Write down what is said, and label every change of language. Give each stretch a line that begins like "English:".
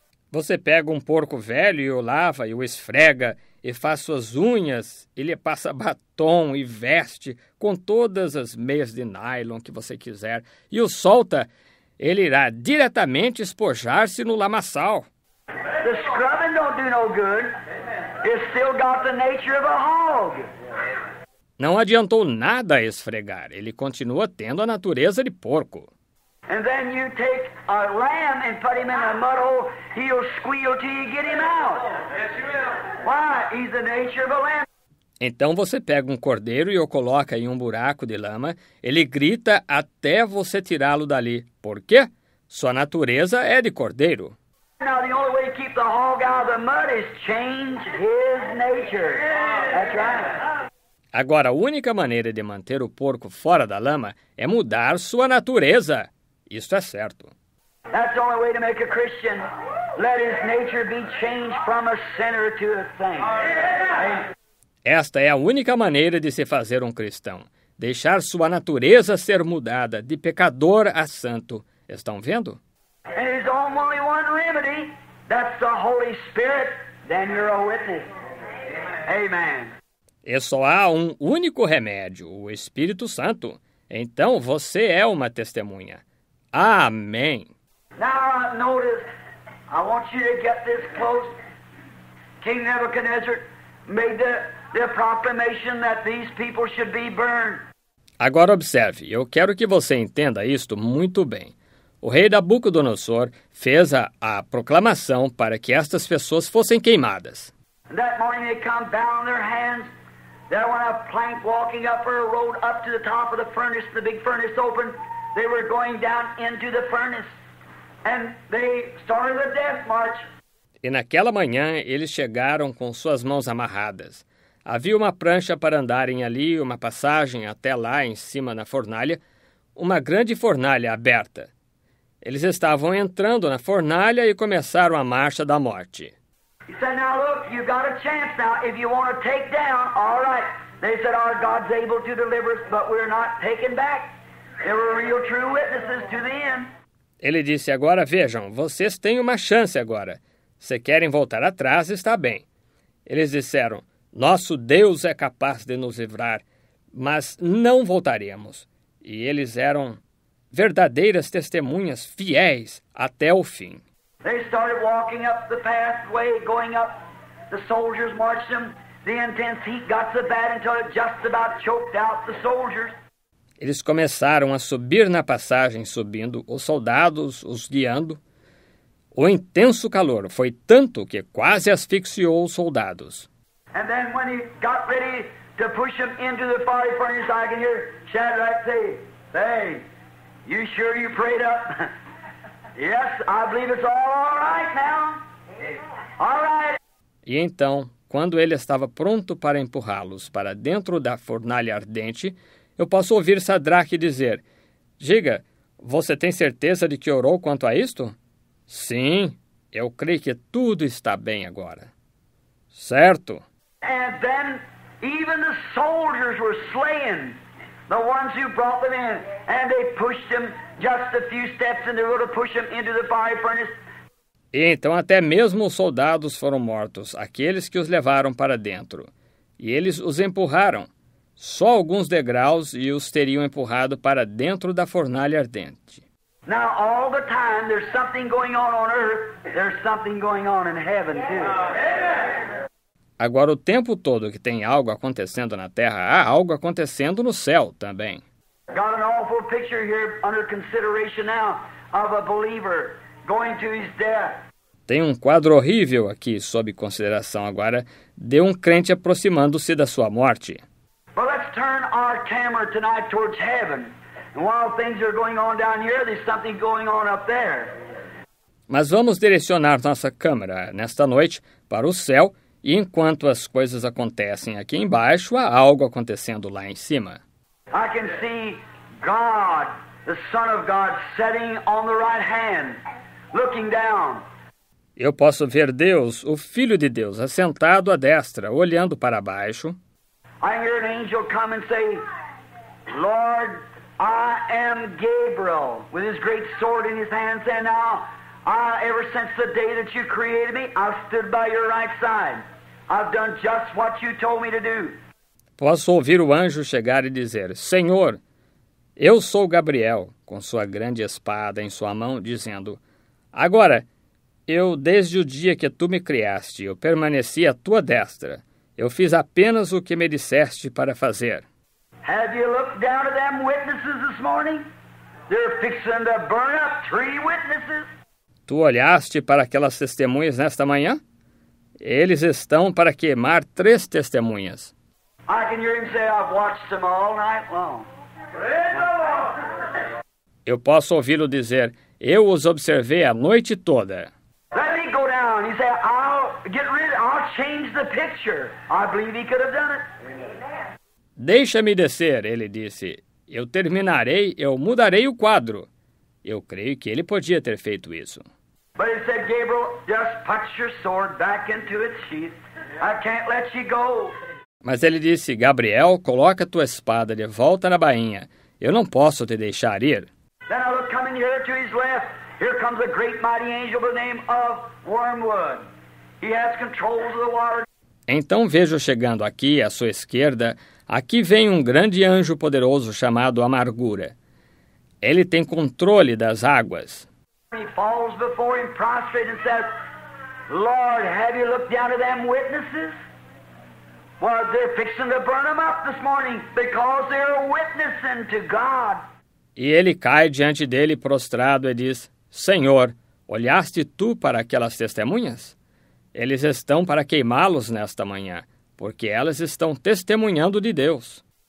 Portuguese: Você pega um porco velho e o lava e o esfrega e faz suas unhas, ele passa batom e veste com todas as meias de nylon que você quiser e o solta, ele irá diretamente espojar-se no lamaçal.
English: The scrubbing don't do no good. It's still got the nature of a hog.
Portuguese: Não adiantou nada esfregar, ele continua tendo a natureza de porco.
English: And then you take a lamb and put him in a mud hole, he'll squeal till you get him out. Yes, you will. Why? He's the nature of a lamb.
Portuguese: Então você pega um cordeiro e o coloca em um buraco de lama, ele grita até você tirá-lo dali. Por quê? Sua natureza é de cordeiro.
English: Now the only way to keep the hog out of the mud is change his nature. That's right.
Portuguese: Agora, a única maneira de manter o porco fora da lama é mudar sua natureza. Isto é certo.
English: That's the only way to make a Christian. Let his nature be changed from a sinner to a saint.
Portuguese: Esta é a única maneira de se fazer um cristão. Deixar sua natureza ser mudada de pecador a santo. Estão vendo?
English: And there's only one remedy. That's the Holy Spirit. Then you're a witness. Amen.
Portuguese: E só há um único remédio, o Espírito Santo. Então você é uma testemunha. Amém.
English: Now notice, I want you to get this close. King Nebuchadnezzar made the proclamation that these people should be burned.
Portuguese: Agora observe, eu quero que você entenda isto muito bem. O rei Nabucodonosor fez a proclamação para que estas pessoas fossem queimadas.
English: That morning they come bowing their hands. There was a plank walking up for a road up to the top of the furnace. The big furnace opened. They were going down into the furnace. And they started the death march.
Portuguese: E naquela manhã eles chegaram com suas mãos amarradas. Havia uma prancha para andarem ali, uma passagem até lá em cima na fornalha, uma grande fornalha aberta. Eles estavam entrando na fornalha e começaram a marcha da morte.
English: He said, now look, you've got a chance now. If you want to take down, all right. They said, our God's able to deliver us, but we're not taken back. They were real true witnesses to the end.
Portuguese: Ele disse, agora vejam, vocês têm uma chance agora. Se querem voltar atrás, está bem. Eles disseram, nosso Deus é capaz de nos livrar, mas não voltaremos. E eles eram verdadeiras testemunhas fiéis até o fim.
English: They started walking up the pathway, going up. The soldiers marched them. The intense heat got so bad until it just about choked out the soldiers.
Portuguese: Eles começaram a subir na passagem, subindo, os soldados os guiando. O intenso calor foi tanto que quase asfixiou os soldados.
English: And then when he got ready to push them into the fiery furnace, I can hear Shadrach say, hey, you sure you prayed up? Yes, I believe it's all right now. All right.
Portuguese: E então, quando ele estava pronto para empurrá-los para dentro da fornalha ardente, eu posso ouvir Sadraque dizer, diga, você tem certeza de que orou quanto a isto? Sim, eu creio que tudo está bem agora. Certo?
English: And then even the soldiers were slain, the ones who brought them in, and they pushed them just a few steps in the road to push them into the fire furnace.
Portuguese: E então até mesmo os soldados foram mortos, aqueles que os levaram para dentro. E eles os empurraram, só alguns degraus e os teriam empurrado para dentro da fornalha ardente.
English: Now all the time there's something going on earth, there's something going on in heaven too.
Portuguese: Agora o tempo todo que tem algo acontecendo na terra, há algo acontecendo no céu também.
English: Got an awful picture here under consideration now of a believer going to his death.
Portuguese: Tem um quadro horrível aqui sob consideração agora de um crente aproximando-se da sua morte.
English: But let's turn our camera tonight towards heaven. While things are going on down here, there's something going on up there.
Portuguese: Mas vamos direcionar nossa câmera nesta noite para o céu, e enquanto as coisas acontecem aqui embaixo, há algo acontecendo lá em cima.
English: I can see God, the Son of God, sitting on the right hand, looking down.
Portuguese: Eu posso ver Deus, o Filho de Deus, assentado à destra, olhando para baixo.
English: I hear an angel come and say, Lord, I am Gabriel, with his great sword in his hand, saying, now, ever since the day that you created me, I've stood by your right side. I've done just what you told me to do.
Portuguese: Posso ouvir o anjo chegar e dizer, Senhor, eu sou Gabriel, com sua grande espada em sua mão, dizendo, agora, eu, desde o dia que tu me criaste, eu permaneci à tua destra. Eu fiz apenas o que me disseste para fazer.
English: Have you looked down at them witnesses this morning? They're fixing to burn up three witnesses.
Portuguese: Tu olhaste para aquelas testemunhas nesta manhã? Eles estão para queimar três testemunhas.
English: I can hear him say, I've watched them all night long. Praise the Lord.
Portuguese: Eu posso ouvi-lo dizer, eu os observei a noite toda.
English: Let me go down. He said, I'll change the picture. I believe he could have done it.
Portuguese: Deixa-me descer, ele disse. Eu terminarei, eu mudarei o quadro. Eu creio que ele podia ter feito isso.
English: But he said, Gabriel, just put your sword back into its sheath. I can't let you go.
Portuguese: Mas ele disse, Gabriel, coloca tua espada de volta na bainha. Eu não posso te deixar ir.
English: Then I look coming here to his left. Here comes a great mighty angel by the name of Wormwood. He has control of the water.
Portuguese: Então vejo chegando aqui à sua esquerda, aqui vem um grande anjo poderoso chamado Amargura. Ele tem controle das águas.
English: He falls before him prostrate and says, Lord, have you looked down to them witnesses? Well, they're fixing to burn them up this morning because they're witnessing to God.
Portuguese: E ele cai diante dele prostrado e diz, Senhor, olhaste tu para aquelas testemunhas? Eles estão para queimá-los nesta manhã, porque elas estão testemunhando de Deus.